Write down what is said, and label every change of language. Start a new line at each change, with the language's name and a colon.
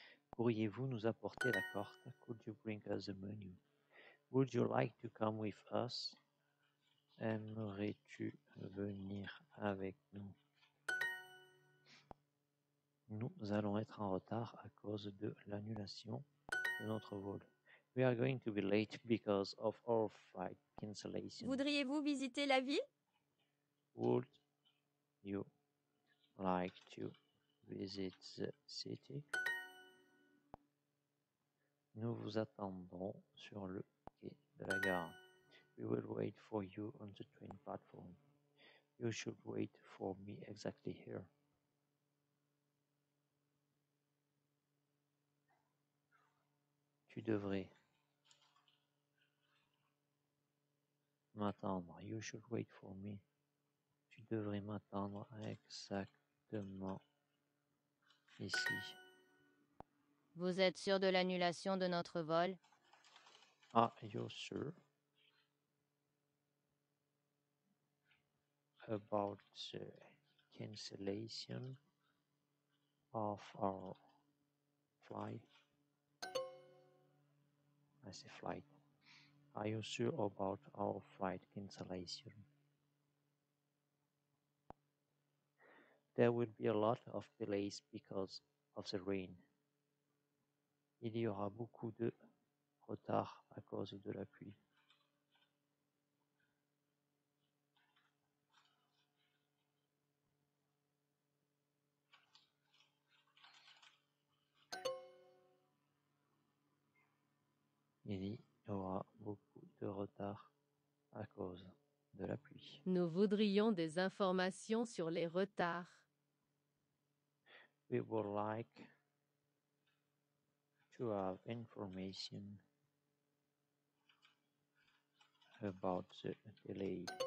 French: Pourriez-vous nous apporter la carte?
English: Could you bring us a menu? Would you like to come with us?
French: Aimerais-tu venir avec nous? Nous allons être en retard à cause de l'annulation de notre vol.
English: We are going to be late because of our flight cancellation.
French: Voudriez-vous visiter la ville?
English: Would you like to visit the city.
French: Nous vous attendrons sur le quai de la gare.
English: We will wait for you on the train platform. You should wait for me exactly here.
French: Tu devrais m'attendre.
English: You should wait for me.
French: Tu devrais m'attendre exactement ici. Vous êtes sûr de l'annulation de notre vol?
English: Are you sure about the cancellation of our flight? I say flight. Are you sure about our flight cancellation? There will be a lot of delays because of the rain.
French: Il y aura beaucoup de retard à cause de la pluie. Il y aura beaucoup de retard à cause de la pluie. Nous voudrions des informations sur les retards.
English: We would like to have information about the delay.